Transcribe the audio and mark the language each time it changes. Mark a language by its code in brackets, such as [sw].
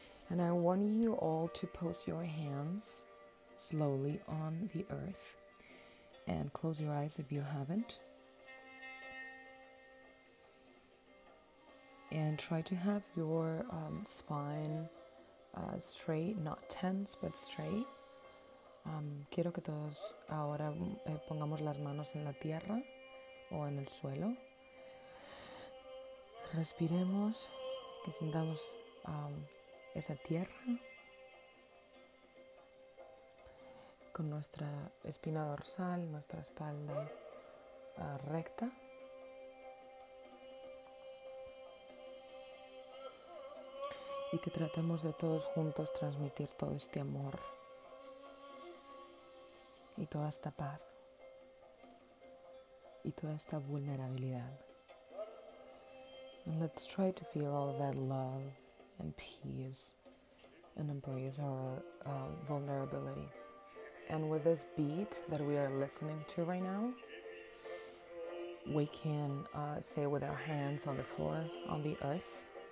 [en] And I want you all to place your hands slowly on the earth and close your eyes if you haven't. And try to have your spine straight, not tense, but straight. [es] Quiero que todos ahora pongamos las manos en la tierra o en el suelo. Respiremos, que sintamos esa tierra con nuestra espina dorsal, nuestra espalda recta. Y que tratemos de todos juntos transmitir todo este amor y toda esta paz y toda esta vulnerabilidad. [en] And let's try to feel all that love and peace and embrace our vulnerability. And with this beat that we are listening to right now, we can stay with our hands on the floor, on the earth.